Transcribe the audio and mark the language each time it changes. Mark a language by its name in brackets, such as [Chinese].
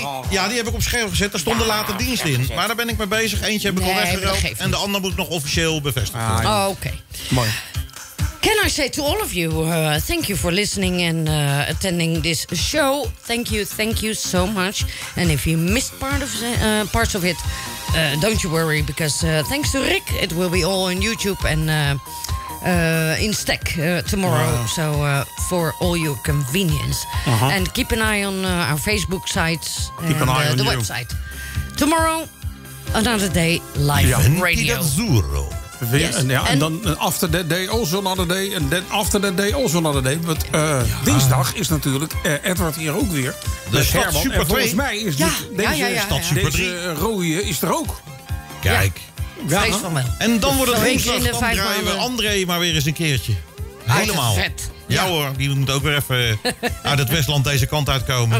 [Dutch] Die heb ik op scherp gezet. Daar stond de late dienst in. Maar daar ben ik mee bezig. Eentje heb ik al weggeruild. En de ander moet nog officieel bevestigd worden. Oké. Mooi. [English] Can I say to all of you, thank you for listening and attending this show. Thank you so much. And if you missed parts of it, don't you worry, because thanks to Rick, it will be all on YouTube and in stack tomorrow. Wow. So for all your convenience. Uh-huh. And keep an eye on our Facebook sites and the website. Tomorrow, another day live on radio. Zuro. [Dutch] En dan [English] after that day, also another day. En then after that day, also another day. [Dutch] Want dinsdag is natuurlijk Edward hier ook weer. De Stad Super 2. Volgens mij is deze rode is er ook. Kijk. Ja. Vrees van wel. En dan wordt het woensdag, dan draaien we André maar weer eens een keertje. Helemaal. Vet. Ja hoor, die moet ook weer even uit het Westland deze kant uitkomen.